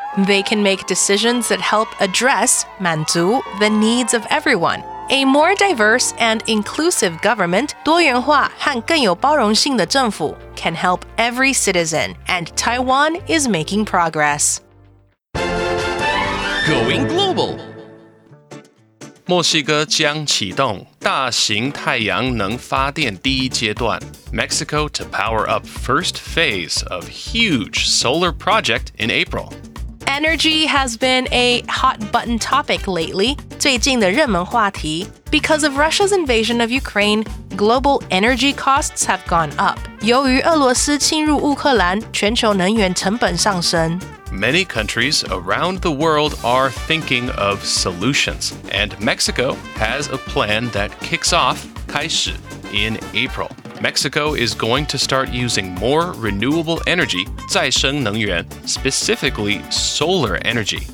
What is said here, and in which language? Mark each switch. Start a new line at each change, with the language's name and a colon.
English: They can make decisions that help address, 满足, the needs of everyone. A more diverse and inclusive government,
Chinese: 多元化和更有包容性的政府。
English: Can help every citizen, and Taiwan is making progress. Going global.
Chinese: 墨西哥将启动大型太阳能发电第一阶段。
English: Mexico to power up first phase of huge solar project in April. Energy has been a hot button topic lately,
Chinese: 最近的热门话题。
English: Because of Russia's invasion of Ukraine, global energy costs have gone up.
Chinese: 由于俄罗斯侵入乌克兰，全球能源成本上升。
English: Many countries around the world are thinking of solutions, and Mexico has a plan that kicks off 开始 in April. Mexico is going to start using more renewable energy, 再生能源, specifically solar energy.